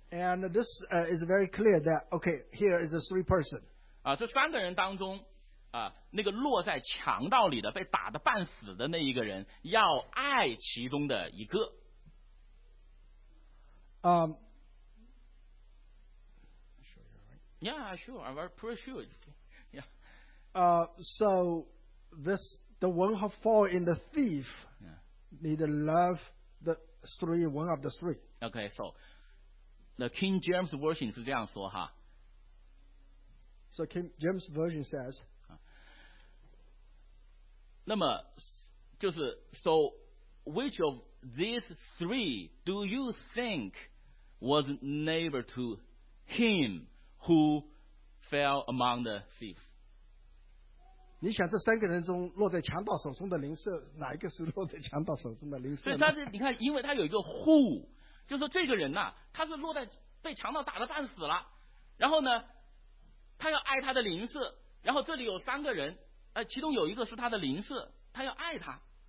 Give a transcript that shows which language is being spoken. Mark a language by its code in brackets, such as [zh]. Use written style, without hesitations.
[en] And this is very clear that okay, here is the three person. [zh] 啊，这三个人当中，啊，那个落在强盗里的被打得半死的那一个人，要爱其中的一个。 [en] I'm very pretty sure. So this the one who fall in the thief need to love the three one of the three. Okay, so. [zh] The King James Version 是这样说哈。 [en] So King James Version says. [zh] 那么就是 [en] ，So which of these three do you think was neighbor to him who fell among the thieves? [zh] 你想这三个人中落在强盗手中的邻舍，哪一个是落在强盗手中的邻舍？所以他你看，因为他有一个 who。就是这个人呐、啊，他是落在被强盗打得半死了，然后呢，他要爱他的邻舍，然后这里有三个人，其中有一个是他的邻舍，他要爱他。